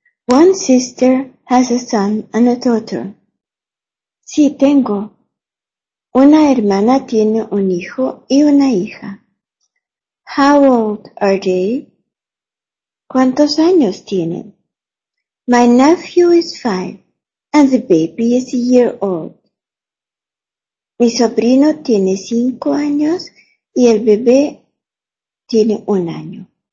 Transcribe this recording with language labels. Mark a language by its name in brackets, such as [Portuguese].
[English] One sister has a son and a daughter. [Spanish] Sí, tengo. Una hermana tiene un hijo y una hija. [English] How old are they? [Spanish] ¿Cuántos años tienen? [English] My nephew is 5 and the baby is a year old. [Spanish] Mi sobrino tiene 5 años y el bebé tiene 1 año.